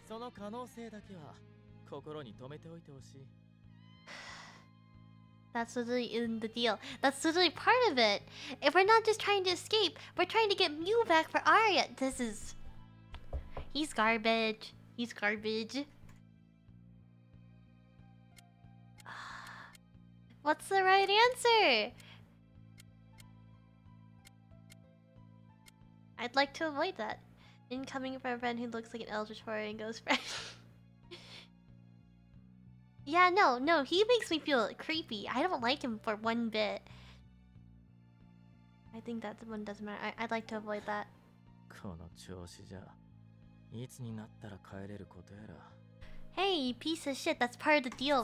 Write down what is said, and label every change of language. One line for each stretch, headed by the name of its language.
Japanese: その可能性だけは心に留めておいてほしい。
English: That's literally in the deal. That's literally part of it. If we're not just trying to escape, we're trying to get Mew back for Arya. This is... He's garbage. He's garbage. What's the right answer? I'd like to avoid that. Incoming from a friend who looks like an eldritch horror and ghost friend. Yeah, no, no, he makes me feel creepy. I don't like him for one bit. I think that one doesn't matter. I'd like to avoid that.
Japanese: この調子じゃ、いつになったら帰れることやら。
English: Hey, you piece of shit, that's part of the deal.